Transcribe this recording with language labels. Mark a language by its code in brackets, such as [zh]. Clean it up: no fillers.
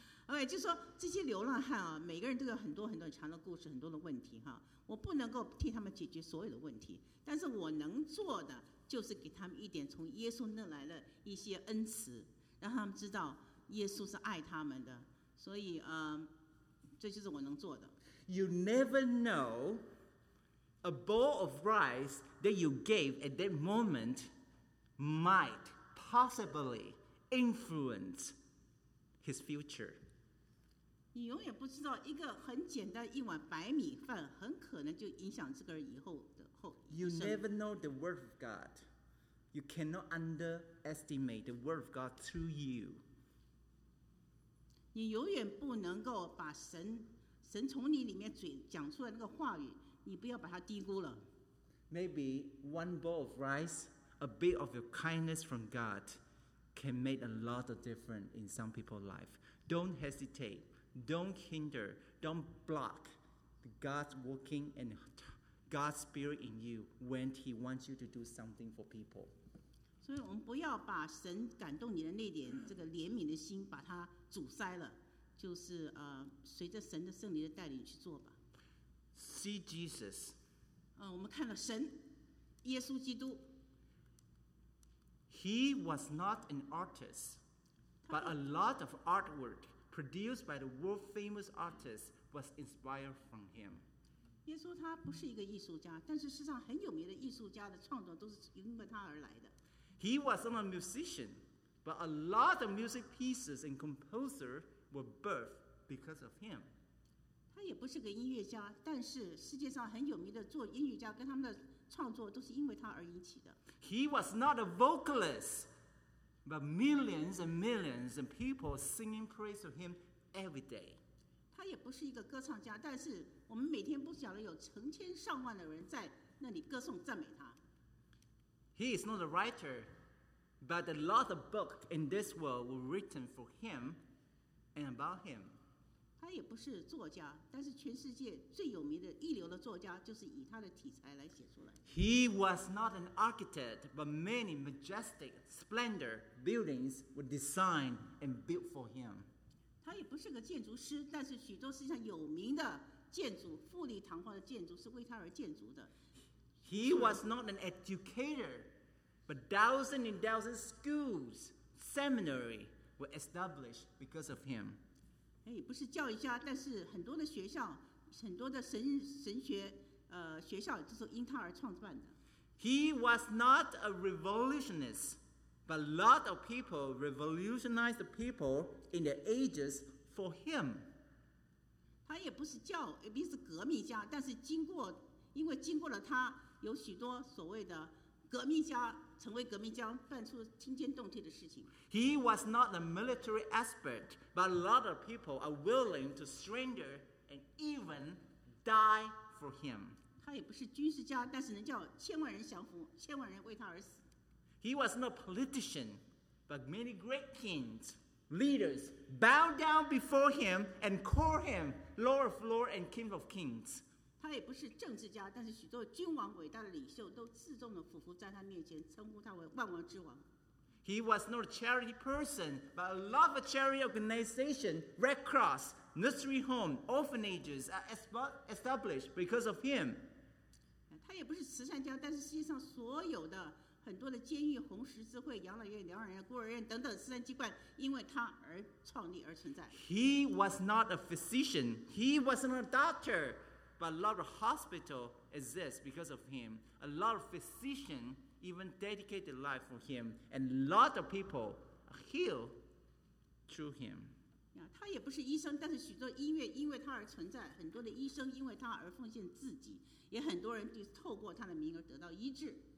[zh] Okay, 就说这些流浪汉啊，每个人都有很多很多长的故事，很多的问题哈。我不能够替他们解决所有的问题，但是我能做的就是给他们一点从耶稣那来的一些恩慈，让他们知道耶稣是爱他们的。所以，这就是我能做的。 [en] You never know a bowl of rice that you gave at that moment might possibly influence his future. [zh] 你永远不知道一个很简单一碗白米饭，很可能就影响这个人以后的后。 [en] You never know the word of God. You cannot underestimate the word of God through you. [zh] 你永远不能够把神从你里面嘴讲出来那个话语，你不要把它低估了。 [en] Maybe one bowl of rice, a bit of your kindness from God, can make a lot of difference in some people's life. Don't hesitate, don't hinder, don't block God's working and God's spirit in you when he wants you to do something for people. [zh] 所以我们不要把神感动你的那点这个怜悯的心把它阻塞了，就是随着神的圣灵的带领去做吧。 [en] See Jesus. [zh] 我们看了神，耶稣基督。 [en] He was not an artist, but a lot of artwork produced by the world famous artists was inspired from him. [zh] 耶稣他不是一个艺术家，但是世上很有名的艺术家的创作都是因为他而来的。 [en] He was not a musician, but a lot of music pieces and composers were birthed because of him. [zh] 他也不是个音乐家，但是世界上很有名的做音乐家跟他们的创作都是因为他而引起的。 [en] He was not a vocalist, but millions and millions of people singing praise to him every day. [zh] 他也不是一个歌唱家，但是我们每天不晓得有成千上万的人在那里歌颂赞美他。 [en] He is not a writer, but a lot of books in this world were written for him and about him. [zh] 他也不是作家，但是全世界最有名的一流的作家就是以他的题材来写出来。 [en] He was not an architect, but many majestic, splendor buildings were designed and built for him. [zh] 他也不是个建筑师，但是许多世界上有名的建筑，富丽堂皇的建筑是为他而建筑的。 [en] He was not an educator, but thousands and thousands of schools, seminaries were established because of him. [zh] 不是教育家，但是很多的学校，很多的神学，学校就是因他而创办的。 [en] He was not a revolutionist, but a lot of people revolutionized the people in the ages for him. [zh] 他也不是教，也不是革命家，但是经过，因为经过了他。有许多所谓的革命家成为革命家，办出惊天动地的事情。 [en] He was not a military expert, but a lot of people are willing to surrender and even die for him. [zh] 他也不是军事家，但是能叫千万人降服，千万人为他而死。 [en] He was not a politician, but many great kings, leaders bowed down before him and called him Lord of Lords and King of Kings. [zh] 他也不是政治家，但是许多君王、伟大的领袖都自动的俯伏在他面前，称呼他为万王之王。 [en] He was not a charity person, but a lot of charity organizations, Red Cross, nursery homes, orphanages are established because of him. [zh] 他也不是慈善家，但是世界上所有的很多的监狱、红十字会、养老院、疗养院、孤儿院等等慈善机关，因为他而创立而存在。 [en] He was not a physician. He was not a doctor. But a lot of hospital exists because of him. A lot of physicians even dedicated life for him. And a lot of people are healed through him. [zh] Yeah, 他也不是医生，但是许多医院因为他而存在。很多的医生因为他而奉献自己，也很多人就透过他的名而得到医治。